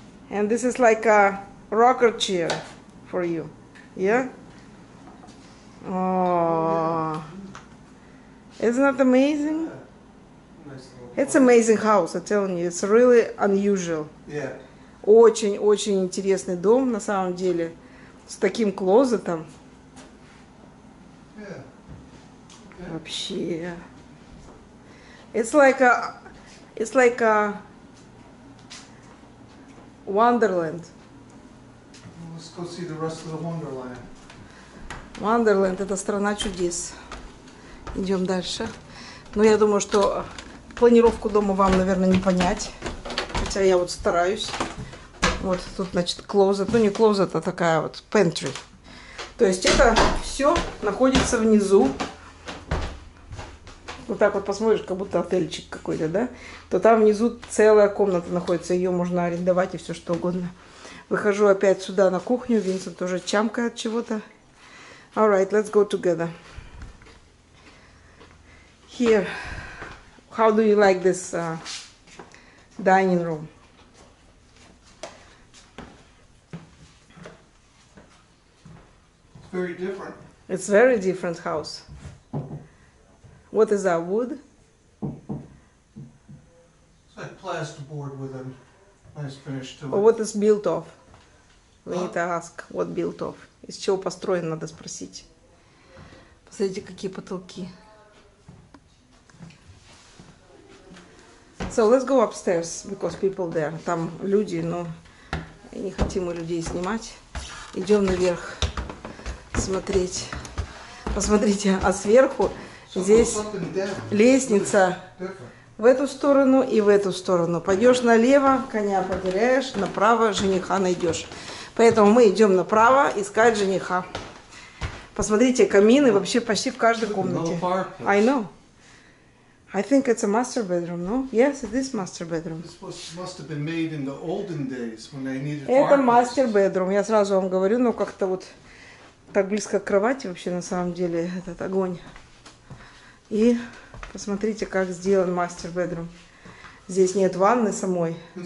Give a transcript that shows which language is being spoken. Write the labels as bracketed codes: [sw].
[en] And this is like a rocker chair for you. Yeah? Oh. Isn't that amazing? It's amazing house, I'm telling you. It's really unusual. Yeah. [ru] Очень-очень интересный дом, на самом деле. С таким клозетом. [en] Yeah. Okay. [ru] Вообще. [en] It's like a Wonderland. Let's go see the rest of the Wonderland. [ru] Wonderland – это страна чудес. Идем дальше. Ну, я думаю, что планировку дома вам, наверное, не понять. Хотя я вот стараюсь. Вот тут, значит, closet. Ну, не closet, а такая вот pantry. То есть это все находится внизу. Вот так вот посмотришь, как будто отельчик какой-то, да? То там внизу целая комната находится, ее можно арендовать и все что угодно. Выхожу опять сюда на кухню, Винсент тоже чамкает чего-то. [en] All right, let's go together. Here, how do you like this dining room? It's very different. It's very different house. What is that wood? It's like plasterboard with a nice finish to it. Well, what is built of? We need to ask what built of. [ru] Из чего построен, надо спросить. Посмотрите, какие потолки. [en] So let's go upstairs because people there. [ru] Там люди, но не хотим мы людей снимать. Идем наверх смотреть. Посмотрите, а сверху здесь лестница в эту сторону и в эту сторону. Пойдешь налево, коня потеряешь, направо жениха найдешь. Поэтому мы идем направо искать жениха. Посмотрите, камины вообще почти в каждой комнате. [en] I know. I think it's a master bedroom, no? Yes, it is master bedroom. This must have been made in the olden days when they needed fireplaces. [ru] Это мастер bedroom, я сразу вам говорю, но как-то вот так близко к кровати вообще на самом деле этот огонь. И посмотрите, как сделан мастер bedroom. Здесь нет ванны самой.